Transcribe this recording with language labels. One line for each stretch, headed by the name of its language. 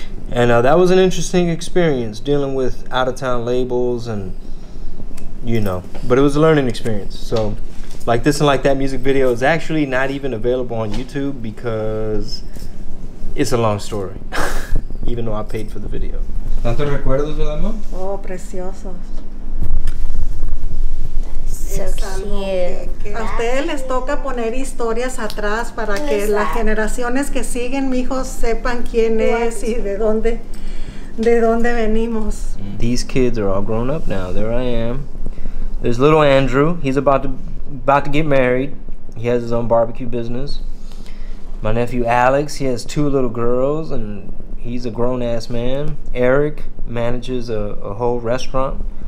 English: And that was an interesting experience, dealing with out-of-town labels and, you know. But it was a learning experience. So, Like This and Like That music video is actually not even available on YouTube because it's a long story, even though I paid for the video.
Spanish: ¿Tantos recuerdos de la mamá? Oh, preciosos.
English: So cute.
Spanish: A ustedes les toca poner historias atrás para que las generaciones que siguen, mijos, sepan quién es y de dónde venimos.
English: These kids are all grown up now. There I am. There's little Andrew. He's about to get married. He has his own barbecue business. My nephew Alex, he has two little girls and he's a grown-ass man. Eric manages a whole restaurant.